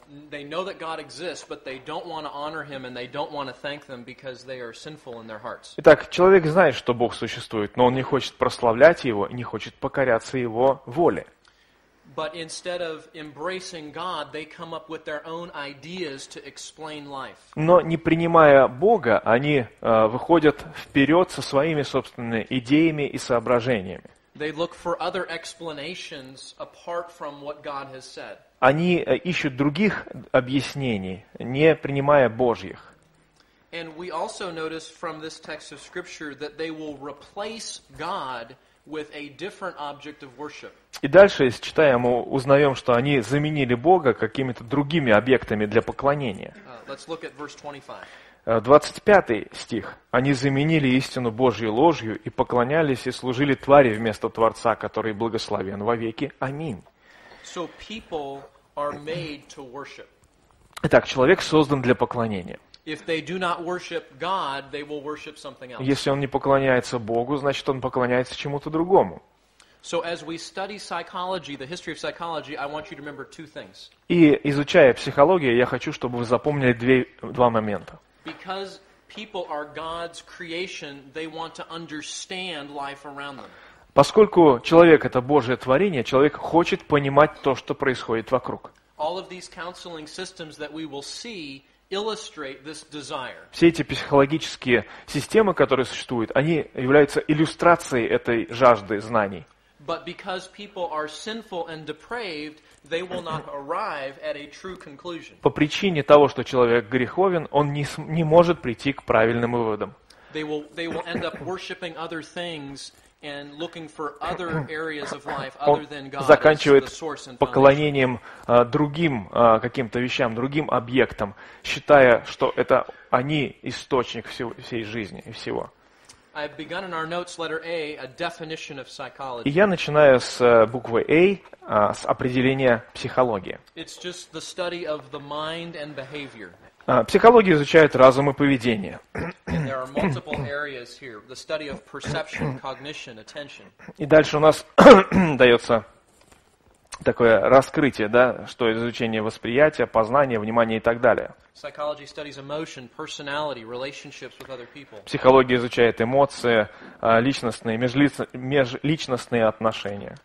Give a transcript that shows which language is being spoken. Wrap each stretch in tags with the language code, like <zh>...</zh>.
<en>They know that God exists, but they don't want to honor Him and they don't want to thank them because they are sinful in their hearts.</en> <ru>Итак, человек знает, что Бог существует, но он не хочет прославлять Его и не хочет покоряться Его воле.</ru> <en>But instead of embracing God, they come up with their own ideas to explain life.</en> <ru>Но не принимая Бога, они выходят вперед со своими собственными идеями и соображениями.</ru> <en>They look for other explanations apart from what God has said.</en> <ru>Они ищут других объяснений, не принимая Божьих.</ru> <en>And we also notice from this text of Scripture that they will replace God with a different object of worship.</en> <ru>И дальше, если читаем, мы узнаем, что они заменили Бога какими-то другими объектами для поклонения.</ru> <en>Let's look at verse 25.</en> <ru>25 стих. «Они заменили истину Божью ложью и поклонялись и служили твари вместо Творца, который благословен вовеки. Аминь».</ru> <en>So people are made to worship.</en> <ru>Итак, человек создан для поклонения.</ru> <en>If they do not worship God, they will worship something else.</en> <ru>Если он не поклоняется Богу, значит он поклоняется чему-то другому.</ru> <en>So as we study psychology, the history of psychology, I want you to remember two things.</en> <ru>И изучая психологию, я хочу, чтобы вы запомнили два момента.</ru> <en>Because people are God's creation, they want to understand life around them.</en> <ru>Поскольку человек это Божье творение, человек хочет понимать то, что происходит вокруг.</ru> <en>All of these counseling systems that we will see illustrate this desire.</en> <ru>Все эти психологические системы, которые существуют, они являются иллюстрацией этой жажды знаний.</ru> <en>But because people are sinful and depraved, they will not arrive at a true conclusion.</en> <ru>По причине того, что человек греховен, он не может прийти к правильным выводам.</ru> <en>They will end up worshiping other things and looking for other areas of life other than God.</en> <ru>Он заканчивает поклонением другим каким-то вещам, другим объектам, считая, что это они источник всей жизни и всего.</ru> <en>I've begun in our notes letter A, a definition of psychology.</en> <ru>И я начинаю с буквы A, с определения психологии.</ru> <en>It's just the study of the mind and behavior.</en> <ru>Психология изучает разум и поведение.</ru> <en>And there are multiple areas here, the study of perception, cognition, attention.</en> <ru>И дальше у нас дается такое раскрытие, да, что изучение восприятия, познания, внимания и так далее.</ru> <en>Psychology studies emotion, personality, relationships with other people.</en> <ru>Психология изучает эмоции, личностные, межличностные отношения.</ru>